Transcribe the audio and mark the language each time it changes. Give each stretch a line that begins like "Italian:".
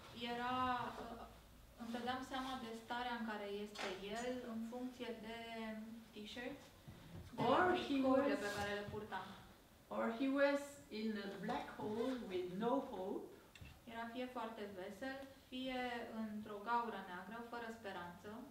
Romanian: Era, îmi dădeam seama de starea în care este el, în funcție de t-shirt,
English: or
Romanian: de picurile pe care le purta.
English: Or he was in a black hole with no hope.
Romanian: Era fie foarte vesel, fie fie într-o gaură neagră, fără speranță.